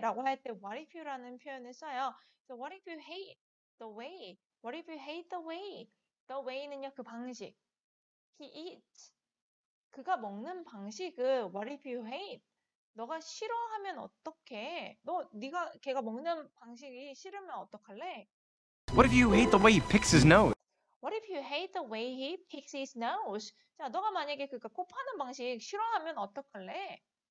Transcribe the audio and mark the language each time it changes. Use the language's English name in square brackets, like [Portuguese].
[Korean] 라고 할때 [English] what if you라는 표현을 써요. So what if you hate the way? What if you hate the way? The way는요, [Korean] 그 방식. [English] He eats. [Korean] 그가 먹는 방식을 [English] what if you hate? [Korean] 너가 싫어하면 어떡해? 너, 네가 걔가 먹는 방식이 싫으면 어떡할래? [English] What if you hate the way he picks his nose? What if you hate the way he picks his nose? [Korean] 자, 너가 만약에 그가 코 파는 방식 싫어하면 어떡할래?